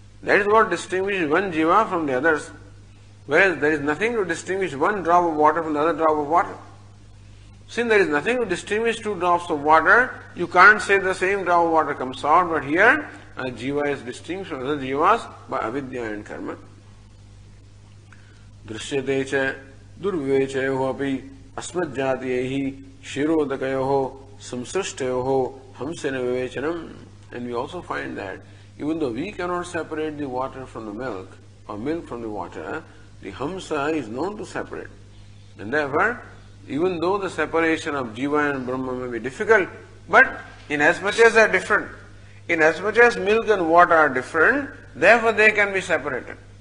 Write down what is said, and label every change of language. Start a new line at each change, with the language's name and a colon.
English: That is what distinguishes one jiva from the others. Whereas there is nothing to distinguish one drop of water from the other drop of water. Since there is nothing to distinguish two drops of water, you can't say the same drop of water comes out. But here a jiva is distinguished from other jivas by avidya and karma.
Sanskrit: Drishyate cha दुर्विवेचयोः अपि अस्मज्जातियैः शिरोदकयोः संसृष्टयोः हंसेन विवेचनम्.
English: And we also find that even though we cannot separate the water from the milk or milk from the water, the hamsa is known to separate. And therefore, even though the separation of jiva and brahma may be difficult, but inasmuch as they are different, inasmuch as milk and water are different, therefore they can be separated.